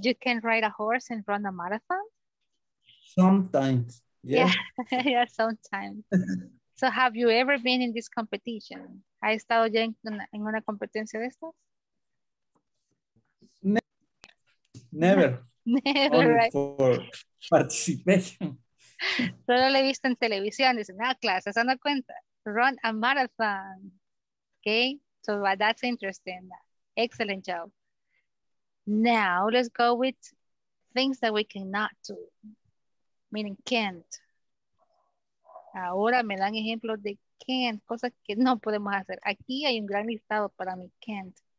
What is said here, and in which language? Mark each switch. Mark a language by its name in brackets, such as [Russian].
[English] You can ride a horse and run a marathon? Sometimes. Yeah. Yeah, sometimes. So have you ever been in this competition? [Spanish] ¿Has estado ya en una competencia de estas? [English] Never. Never, right? For participation. [Spanish] Solo le he visto en televisión, dice, no, clases, ¿se dan cuenta? [English] Run a marathon. Okay, so that's interesting. Excellent job. Now, let's go with things that we cannot do, meaning can't. [Spanish] Ahora me dan ejemplos de can't, cosas que no podemos hacer. Aquí hay un gran listado para mí, can't.